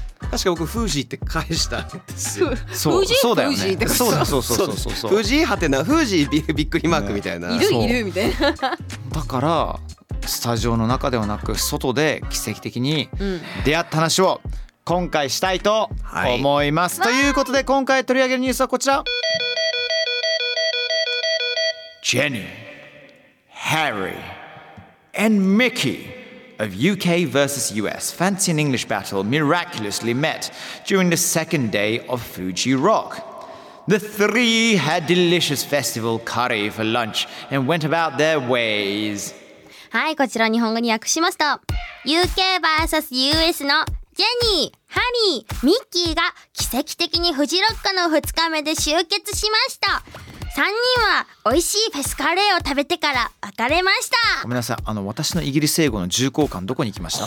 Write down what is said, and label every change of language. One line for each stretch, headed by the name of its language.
Japanese: 確か僕フージーって返したんですよ。そう、フージー、そうだよね、フージーってそうだ、そうそうそうそうフージーはてな、フージービックリマークみたいな、ね、いるいるみたいな、だからスタジオの中ではなく外で奇跡的に出会った話を今回したいと思います、はい、ということで今回取り上げるニュースはこちら、
English: ジェニー、ハリー and ミッキーOf UK versus US, Fancy an English Battle miraculously met during the second day of Fuji Rock. The three had delicious festival curry for lunch and went about their ways.
Japanese: はい、こちら日本語に訳しますと、 UK vs US のジェニー、ハリー、ミッキーが奇跡的にフジロックの2日目で集結しました。 3人は美味しいフェスカレーを食べてから別れました。ごめんなさい、あの私のイギリス英語の重厚感どこに行きました？